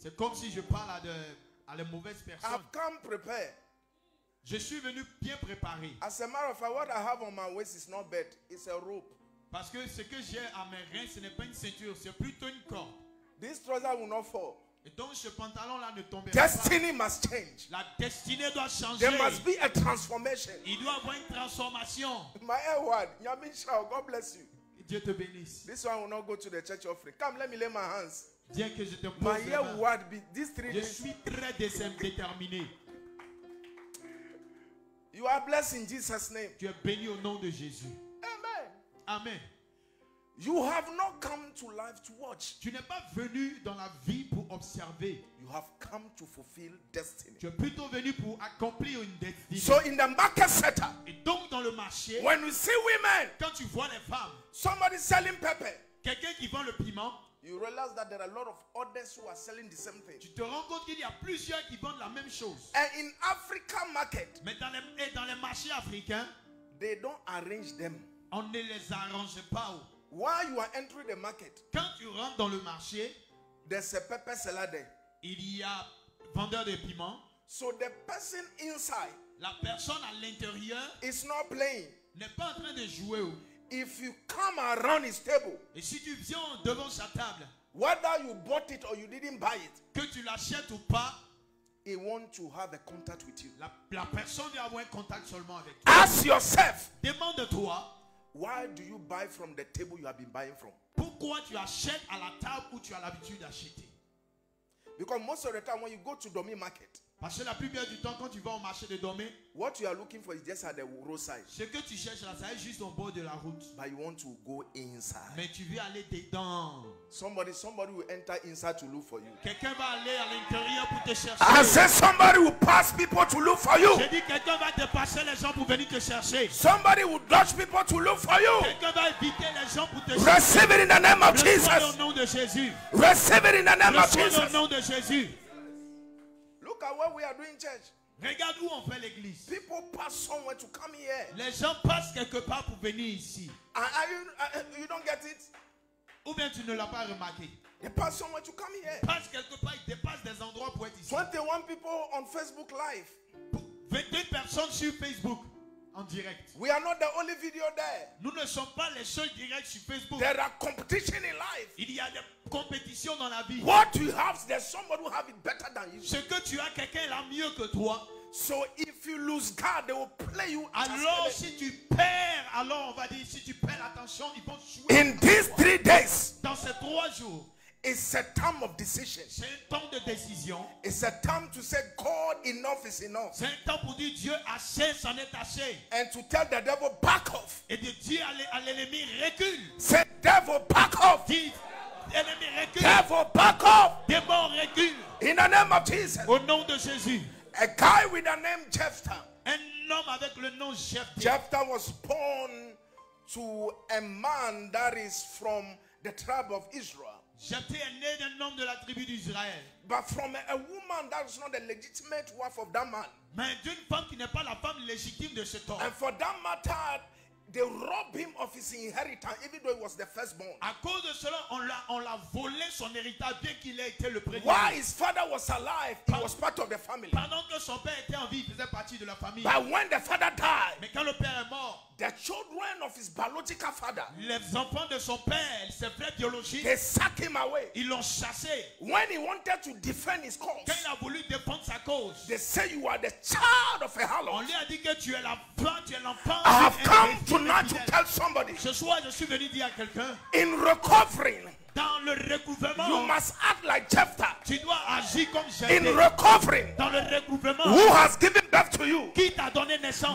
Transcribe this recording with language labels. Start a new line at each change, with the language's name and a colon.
French: C'est comme si je parle à les mauvaises personnes.
English: I've come prepared.
French: Je suis venu bien préparé.
English: As a matter of fact, what I have on my waist is not belt. It's a rope.
French: Parce que ce que j'ai à mes reins, ce n'est pas une ceinture, c'est plutôt une corde.
English: This trouser will not fall.
French: Et donc ce pantalon-là ne tombera
English: destiny
French: pas.
English: Must change.
French: La destinée doit changer.
English: There must be a transformation.
French: Il doit avoir une transformation.
English: My Edward, Yamisha, God bless you.
French: Dieu te bénisse.
English: This one will not go to the church offering. Come, let me lay my hands.
French: Bien que je te pose.
English: My Edward, these 3 days.
French: Je suis très déterminé.
English: You are blessed in Jesus' name.
French: Tu es béni au nom de Jésus. Amen. Amen.
English: You have not come to life to watch.
French: Tu n'es pas venu dans la vie pour observer.
English: You have come to fulfill destiny.
French: Tu es plutôt venu pour accomplir une destinée.
English: So in the market setter.
French: Et donc dans le marché.
English: When you see women.
French: Quand tu vois les femmes.
English: Somebody selling pepper.
French: Quelqu'un qui vend le piment.
English: You realize that there are a lot of others who are selling the same thing.
French: Tu te rends compte qu'il y a plusieurs qui vendent la même chose.
English: And in African market.
French: Mais dans les marchés africains.
English: They don't arrange them.
French: On ne les arrange pas. Où.
English: While you are entering the market,
French: quand tu rentres dans le marché,
English: there's a pepper seller there.
French: Il y a vendeur de piment.
English: So the person inside,
French: la personne à l'intérieur,
English: is not playing.
French: N'est pas en train de jouer.
English: If you come around his table,
French: et si tu viens devant sa table,
English: whether you bought it or you didn't buy it,
French: que tu l'achètes ou pas,
English: he wants to have a contact with you.
French: La personne veut avoir un contact seulement avec toi.
English: Ask yourself.
French: Demande-toi.
English: Why do you buy from the table you have been buying from?
French: Pourquoi tu achètes à la table où tu as l'habitude d'acheter?
English: Because most of the time when you go to Domi market,
French: parce que la plupart du temps quand tu vas au marché de Domi,
English: what you are looking for is just at the roadside.
French: Ce que tu cherches là, c'est juste au bord de la route.
English: But you want to go inside.
French: Mais tu veux aller dedans.
English: Somebody will enter inside to look for you.
French: Quelqu'un va aller à l'intérieur pour te chercher.
English: I said somebody will pass people to look for you.
French: J'ai dit quelqu'un va dépasser les gens pour venir te chercher.
English: Somebody will dodge people to look for you.
French: Quelqu'un va éviter les gens pour te
English: receive
French: chercher.
English: Receive it in the name of Jesus.
French: Au nom de Jésus.
English: Receive it in the name
French: reçois
English: of Jesus.
French: Au nom de Jésus.
English: Look at what we are doing, church.
French: Regarde où on fait l'église.
English: People pass somewhere to come here.
French: Les gens passent quelque part pour venir ici.
English: Are you don't get it?
French: Ou bien tu ne l'as pas remarqué.
English: They pass somewhere to come here.
French: Passent quelque part, ils dépassent des endroits pour être ici.
English: 21 people on Facebook live.
French: 22 personnes sur Facebook en direct.
English: We are not the only video there.
French: Nous ne sommes pas les seuls directs sur Facebook.
English: There are competition in life.
French: Il y a des compétitions dans la vie.
English: What you have, there's somebody who have it better than you.
French: Ce que tu as, quelqu'un l'a mieux que toi.
English: So if you lose guard, they will play you.
French: Alors si tu perds, alors on va dire si tu perds l'attention, ils vont jouer.
English: In these 3 days,
French: dans ces 3 jours,
English: it's a time of decision.
French: C'est un temps de décision.
English: It's a time to say God, enough is enough.
French: C'est un temps pour dire Dieu assez, c'en est assez.
English: And to tell the devil back off.
French: Et de dire à l'ennemi recule.
English: Say devil back off.
French: Dis ennemi recule.
English: Devil back off.
French: Démon recule.
English: In the name of Jesus.
French: Au nom de Jésus.
English: A guy with the name Jephthah.
French: Un homme avec le nom Jephthah.
English: Jephthah was born to a man that is from the tribe of Israel.
French: Jephthah est né d'un homme de la tribu d'Israël.
English: But from a woman that is not the legitimate wife of that man.
French: Mais d'une femme qui n'est pas la femme légitime de cet homme.
English: And for that matter, they robbed him of his inheritance, even though he was the firstborn.
French: À cause de cela, on l'a volé son héritage bien qu'il ait été le premier.
English: While his father was alive, he was part of the family.
French: Pendant que son père était en vie, il faisait partie de la famille.
English: But when the father died,
French: mais quand le père est mort,
English: the children of his biological father,
French: les enfants de son père, ses frères biologiques,
English: they sacked him away.
French: Ils l'ont chassé.
English: When he wanted to defend his cause,
French: quand il a voulu défendre sa cause,
English: they say you are the child of a harlot.
French: On lui a dit que tu es l'enfant, tu es l'enfant.
English: I have come tonight to tell somebody.
French: Ce soir, je suis venu dire à quelqu'un.
English: In recovering.
French: Dans le recouvrement,
English: you must act like Jephthah.
French: Tu dois agir comme Jephthah.
English: In recovery,
French: dans le recouvrement,
English: who has given birth to you?
French: Qui t'a donné naissance?